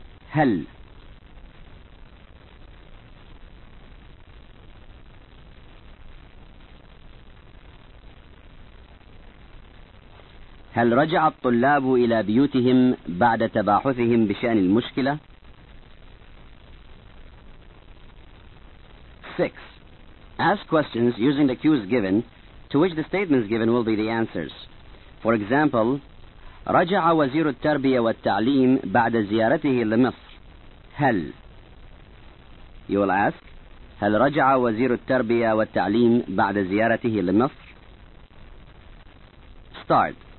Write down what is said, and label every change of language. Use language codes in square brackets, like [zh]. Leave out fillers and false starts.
[ar] هل رجع الطلاب إلى بيوتهم بعد تباحثهم بشأن المشكلة؟ 6. [en] Ask questions using the cues given, to which the statements given will be the answers. For example, [ar] رجع وزير التربية والتعليم بعد زيارته لمصر. هل [en] You will ask, [ar] هل رجع وزير التربية والتعليم بعد زيارته لمصر؟ [en] Start.